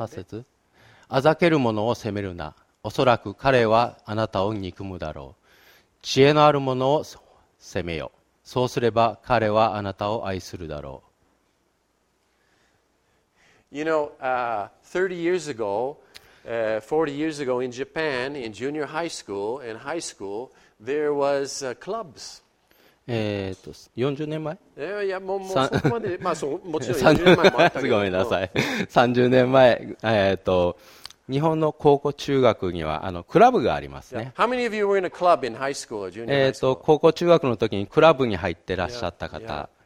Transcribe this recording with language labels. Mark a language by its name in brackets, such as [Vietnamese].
[Japanese] 八節。あざける者を責めるな。おそらく彼はあなたを憎むだろう。知恵のある者を責めよ。そうすれば彼はあなたを愛するだろう。 [English] You know, 30 years ago, 40 years ago in Japan, in junior high school and high school, there was clubs. [Japanese] 40年前？もうそこまで、まあそう、もちろん40年前もあったけど。ごめんなさい。 30年前、日本の高校、中学にはクラブがありますね。 [English] How many of you were in a club in high school or junior high school? [Japanese] 高校、中学の時にクラブに入ってらっしゃった方。